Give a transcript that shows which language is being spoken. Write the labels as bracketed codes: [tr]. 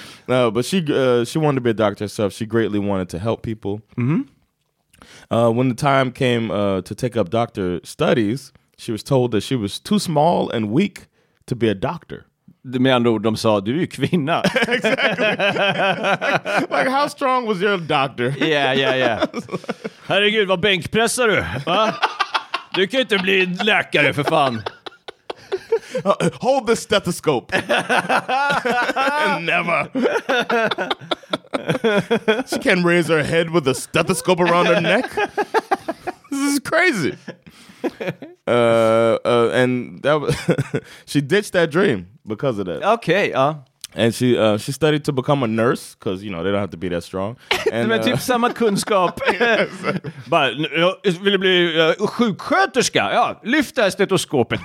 [en] No, but she wanted to be a doctor herself. She greatly wanted to help people. Mm-hmm. When the time came to take up doctor studies, she was told that she was too small and weak to be a doctor. [sv] Med andra ord, de sa, du är ju kvinna. [en] Exactly. Like, how strong was your doctor? Yeah. [sv] Herregud, vad bänkpressar du? Va? Du kan inte bli läkare, för fan. [en] Hold the stethoscope. Never. She can't raise her head with a stethoscope around her neck. This is crazy. And that she ditched that dream because of that. Okay. And she studied to become a nurse because, you know, they don't have to be that strong. [sv] Men typ samma kunskap. Bara, vill du bli sjuksköterska? Ja, lyft det här stetoskopet.